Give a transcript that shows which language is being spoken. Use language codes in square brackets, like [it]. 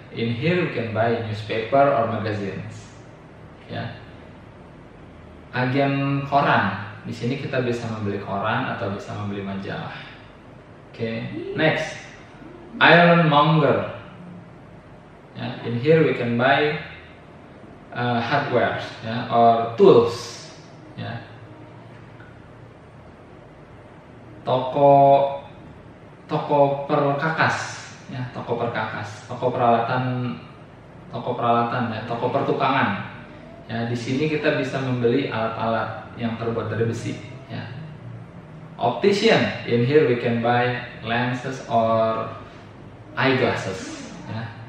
[en] In here we can buy newspaper or magazines. [id] Ya. Agen koran. Di sini kita bisa membeli koran atau bisa membeli majalah. [en] Okay. Next, ironmonger. Ya. In here we can buy hardware, ya, or tools. Ya. [id] Toko perkakas, ya, toko perkakas, toko peralatan, ya, toko pertukangan. Ya, di sini kita bisa membeli alat-alat yang terbuat dari besi, ya. [en] Optician, in here we can buy lenses or eyeglasses, ya.